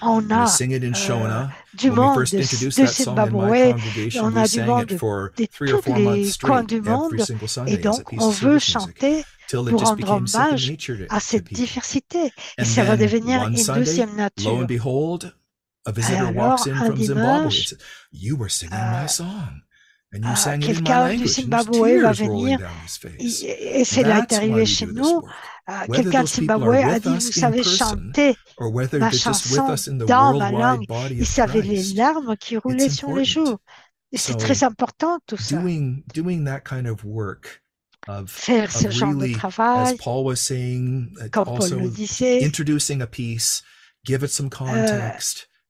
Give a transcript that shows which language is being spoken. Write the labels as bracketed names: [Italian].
[French] On a du monde de Zimbabwe, on a du monde de tous les coins du monde, et donc on veut chanter pour rendre hommage à cette diversité, et ça va devenir une deuxième nature. Et alors, un dimanche, [English] you were singing my song. [French] Quelqu'un du Zimbabwe va venir, et c'est là qu'est arrivé chez nous, quelqu'un du Zimbabwe a dit, vous savez chanter ma chanson dans ma langue, il savait les larmes qui roulaient sur les joues, et c'est très important tout ça. [English] Doing that kind of work, [French] faire ce genre de travail, [English] as Paul was saying, [French] comme Paul le disait, [English] introducing a piece, give it some context.